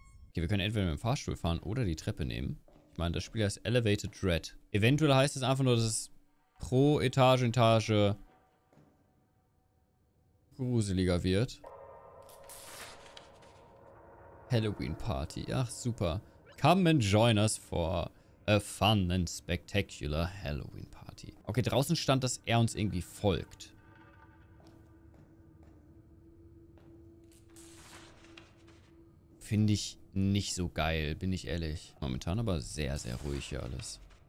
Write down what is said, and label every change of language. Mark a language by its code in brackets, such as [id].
[de] Okay, wir können entweder mit dem Fahrstuhl fahren oder die Treppe nehmen. Ich meine, das Spiel heißt Elevated Dread. Eventuell heißt es einfach nur, dass es pro Etage gruseliger wird. Halloween Party. Ach, super. [en] Come and join us for a fun and spectacular Halloween Party. [de] Okay, draußen stand, dass er uns irgendwie folgt. Finde ich nicht so geil, bin ich ehrlich. Momentan aber sehr, sehr ruhig hier alles.